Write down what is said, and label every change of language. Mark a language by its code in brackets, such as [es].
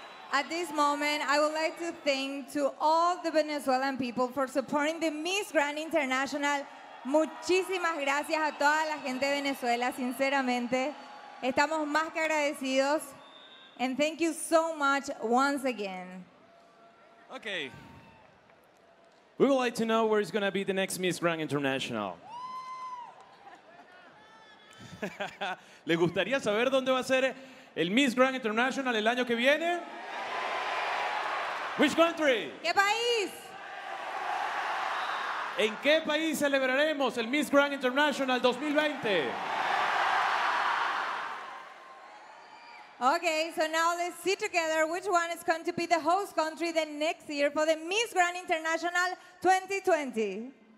[en] At this moment, I would like to thank to all the Venezuelan people for supporting the Miss Grand International. [es] Muchísimas gracias a toda la gente de Venezuela, sinceramente. Estamos más que agradecidos. [en] And thank you so much once again. Okay. We would like to know where is going to be the next Miss Grand International. [es] ¿Le gustaría saber dónde va a ser el Miss Grand International el año que viene? [en] Which country? [es] ¿Qué país? ¿En qué país celebraremos el Miss Grand International 2020? [en] Okay, so now let's see together which one is going to be the host country the next year for the Miss Grand International 2020.